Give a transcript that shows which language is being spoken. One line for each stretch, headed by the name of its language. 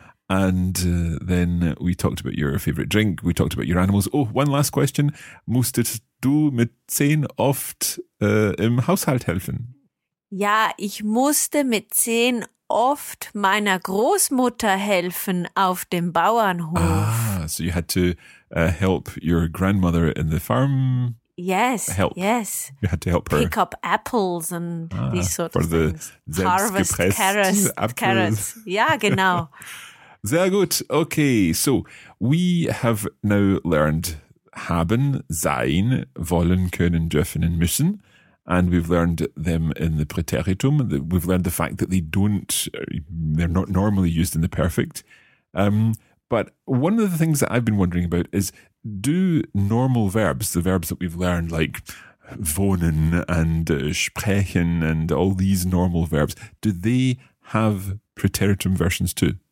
English: And then we talked about your favorite drink. We talked about your animals. Oh, one last question.
German: Musstest du mit 10 oft im Haushalt helfen? Ja, ich musste mit 10 oft meiner Großmutter helfen auf dem Bauernhof.
English: Ah, so you had to help your grandmother in the farm? Yes, help. Yes. You had to help her. Pick up apples and these sort for of things. Harvest carrots. Carrots.
German: Ja, genau. Sehr gut.
English: Okay, so we have now learned haben, sein, wollen, können, dürfen und müssen. And we've learned them in the preteritum. We've learned the fact that they're not normally used in the perfect. But one of the things that I've been wondering about is, do normal verbs, the verbs that we've learned like wohnen and sprechen and all these normal verbs, do they have preteritum versions too?